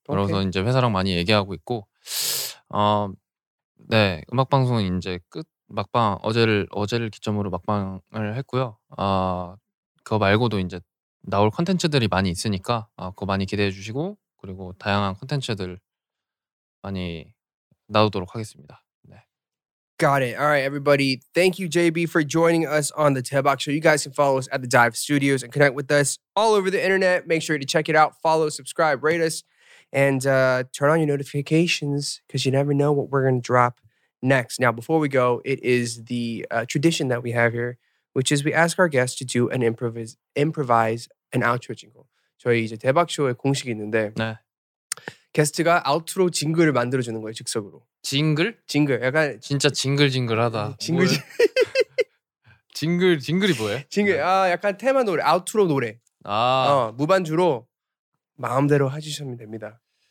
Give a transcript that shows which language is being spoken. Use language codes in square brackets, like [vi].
[ko] 그래서 이제 회사랑 많이 얘기하고 있고, 네, 음악 방송은 이제 끝 막방 어제를 기점으로 막방을 했고요. 그거 말고도 이제 나올 컨텐츠들이 많이 있으니까 그거 많이 기대해 주시고 그리고 다양한 컨텐츠들 많이 나오도록 하겠습니다. 네. [en] Got it. All right, everybody. Thank you, JB, for joining us on the Tebak Show. You guys can follow us at the Dive Studios and connect with us all over the internet. Make sure to check it out. Follow, subscribe, rate us, and turn on your notifications because you never know what we're going to drop next. Now, before we go, it is the tradition that we have here. Which is we ask our guests to do an improvise an outro jingle. [ko] 저희 이제 대박 쇼에 공식이 있는데 네. 게스트가 아웃트로 징글을 만들어 주는 거예요, 즉석으로. 징글? 징글. 약간 진짜 징글징글하다. 징글. 징글 징글이 뭐예요? 징글. 네. 약간 테마 노래, 아웃트로 노래. 무반주로 마음대로 해 주시면 됩니다.